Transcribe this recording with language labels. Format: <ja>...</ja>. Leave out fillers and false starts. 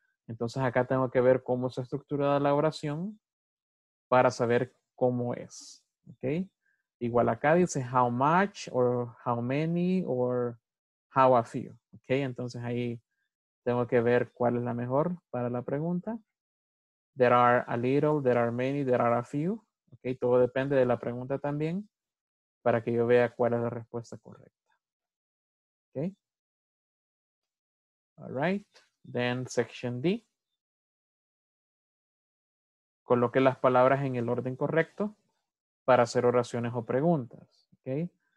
<es>Entonces acá tengo que ver cómo está estructurada la oración para saber cómo es.</es> <en>Okay?</en> <es>Igual acá dice</es> <en>how much, or how many, or how a few. Okay?</en> <es>Entonces ahí tengo que ver cuál es la mejor para la pregunta.</es> <en>There are a little, there are many, there are a few.</en> <es>Okay? Todo depende de la pregunta también. Para que yo vea cuál es la respuesta correcta. Okay.</es> <en>All right. Then section D.</en> <es>Coloque las palabras en el orden correcto para hacer oraciones o preguntas. Okay.</es>